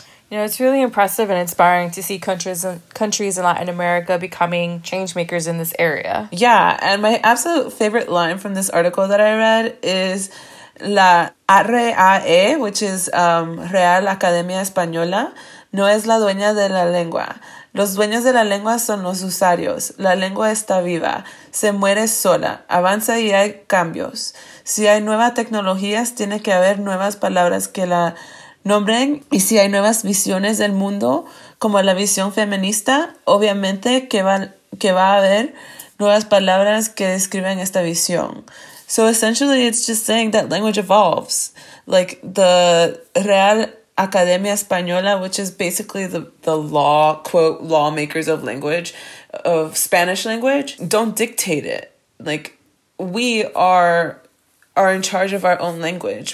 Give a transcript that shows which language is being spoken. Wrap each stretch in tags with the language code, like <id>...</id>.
<en>You know, it's really impressive and inspiring to see countries in Latin America becoming change makers in this area. Yeah, and my absolute favorite line from this article that I read is La RAE, which is Real Academia Española,</en> <es>no es la dueña de la lengua. Los dueños de la lengua son los usuarios. La lengua está viva. Se muere sola. Avanza y hay cambios. Si hay nuevas tecnologías, tiene que haber nuevas palabras que la nombren, y si hay nuevas visiones del mundo, como la visión feminista, obviamente que va a haber nuevas palabras que describen esta visión.</es> <en>So essentially, it's just saying that language evolves. Like the Real Academia Española, which is basically the law, quote, lawmakers of language, of Spanish language, don't dictate it. Like, we are in charge of our own language.</en>